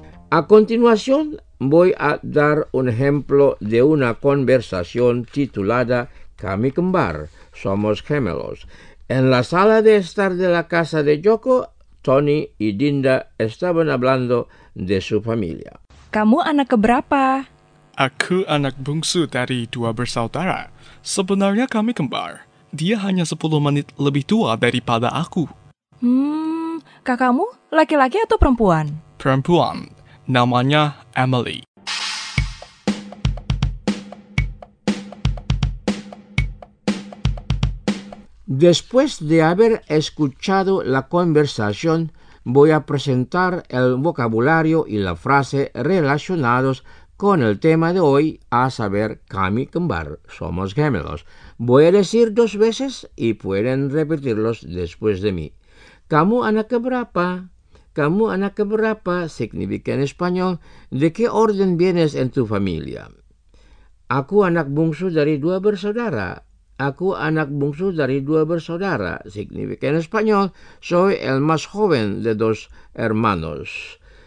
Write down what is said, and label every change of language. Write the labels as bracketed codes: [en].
[es] A continuación, voy a dar un ejemplo de una conversación titulada Kami Kembar, Somos Gemelos. En la sala de estar de la casa de Joko, Tony y Dinda estaban hablando de su familia. [id] ¿Kamu anak keberapa? Aku anak bungsu dari dua bersaudara. Sebenarnya kami kembar. Dia hanya 10 menit lebih tua daripada aku. Kakamu laki-laki atau perempuan? Perempuan. Namanya Emily. [es] Después de haber escuchado la conversación, voy a presentar el vocabulario y la frase relacionados con el tema de hoy, a saber, Kami Kembar, somos gemelos. Voy a decir dos veces y pueden repetirlos después de mí. [id] Kamu anak keberapa? Kamu anak keberapa [es] significa en español, ¿de qué orden vienes en tu familia? [id] Aku anak bungsu dari dua bersaudara. Aku anak bungsu dari dua bersaudara. [es] Significa en español, soy el más joven de dos hermanos.